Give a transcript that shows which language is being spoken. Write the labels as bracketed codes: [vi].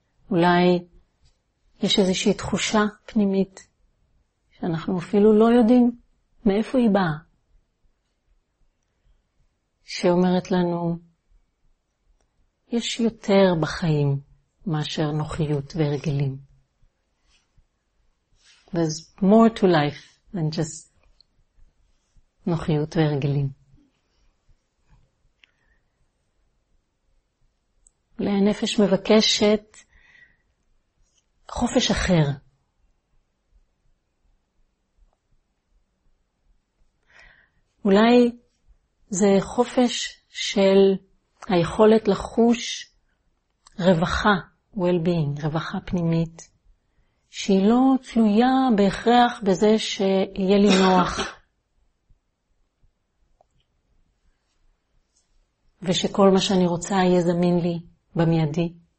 [he] אולי יש איזושהי תחושה פנימית שאנחנו אפילו לא יודעים מאיפה היא באה, שאומרת לנו, יש יותר בחיים מאשר נוחיות והרגלים. [en] There's more to life than just [he] נוחיות והרגלים. אולי הנפש מבקשת חופש אחר. אולי זה חופש של היכולת לחוש רווחה, well-being, רווחה פנימית, שהיא לא תלויה בהכרח בזה שיהיה לי נוח, ושכל מה שאני רוצה יהיה זמין לי במיידי.